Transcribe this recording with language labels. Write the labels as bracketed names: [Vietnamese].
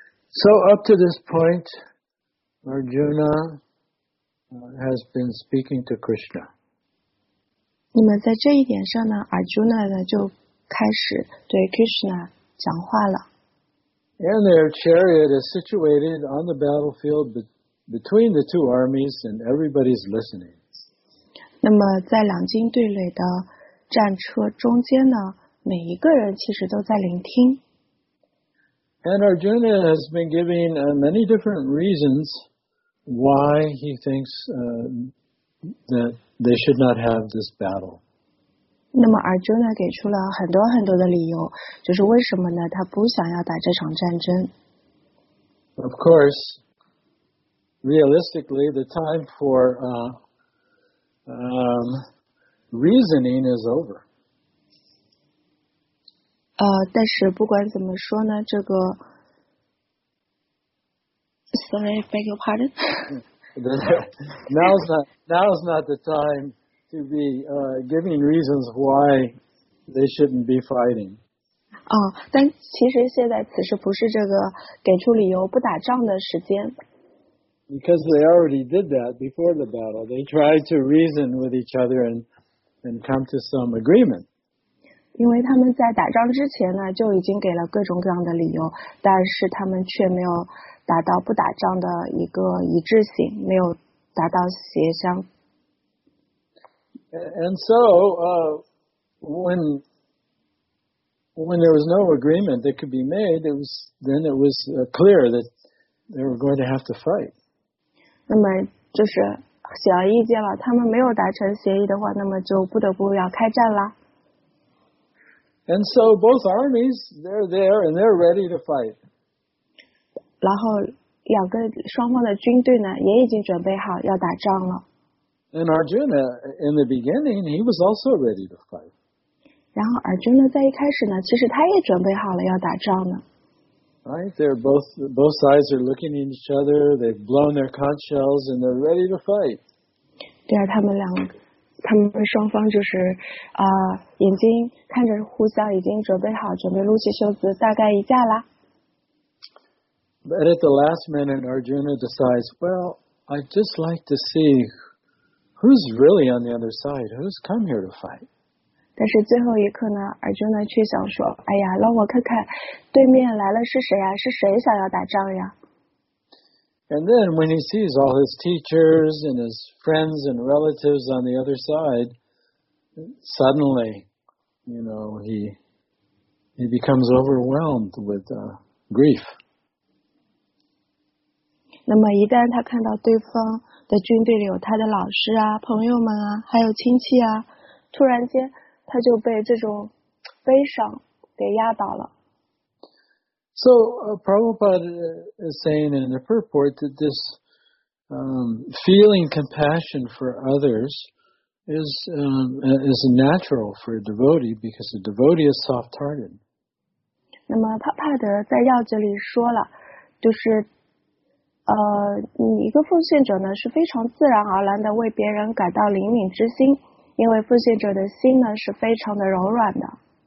[English] So up to this point, Arjuna has been speaking to Krishna. [Chinese] 你们在这一点上呢 ,Arjuna 呢就开始对 Krishna 讲话了。 [English] And their chariot is situated on the battlefield between the two armies, and everybody's listening. [Chinese] 那么在两军对垒的战车中间呢，每一个人其实都在聆听。 [English] And Arjuna has been giving many different reasons why he thinks that they should not have this battle. [Chinese] 那么 Arjuna 给出了很多很多的理由，就是为什么呢？他不想要打这场战争。 [English] Of course, realistically, the time for reasoning is over. [Chinese] 但是不管怎么说呢，这个 ， [English] Sorry, beg your pardon. now's not the time to be giving reasons why they shouldn't be fighting. [Chinese] 但其实现在此时不是这个给出理由不打仗的时间。 [English] Because they already did that before the battle. They tried to reason with each other and come to some agreement. [Chinese] 因为他们在打仗之前呢，就已经给了各种各样的理由，但是他们却没有达到不打仗的一个一致性，没有达到协商。 [English] And so, when there was no agreement that could be made, it was clear that they were going to have to fight. [Chinese] 那么就是显而易见了，他们没有达成协议的话，那么就不得不要开战了。 [English] And so both armies, they're there and they're ready to fight. [Chinese] 然后两个双方的军队呢，也已经准备好要打仗了。 [English] And Arjuna, in the beginning, he was also ready to fight. [Chinese] 然后 Arjuna 在一开始呢，其实他也准备好了要打仗呢。 [English] Right, they're both sides are looking at each other. They've blown their conch shells and they're ready to fight. [Chinese] 对啊，他们双方就是眼睛看着互相已经准备好准备撸起袖子大干一架啦。 [English] But at the last minute, Arjuna decides, well, I'd just like to see who's really on the other side, who's come here to fight. [Chinese] 但是最后一刻呢 ,Arjuna 却想说哎呀让我看看对面来了是谁啊是谁想要打仗呀。 [English] And then when he sees all his teachers and his friends and relatives on the other side, suddenly, you know, he becomes overwhelmed with grief. [Chinese] 那么一旦他看到对方的军队里有他的老师啊朋友们啊还有亲戚啊突然间他就被这种悲伤给压倒了。 [English] So, Prabhupada is saying in the purport that this feeling compassion for others is natural for a devotee because a devotee is soft-hearted. [Chinese] 那么帕帕德在要旨里说了，就是你一个奉献者呢是非常自然而然的为别人感到怜悯之心，因为奉献者的心呢是非常的柔软的。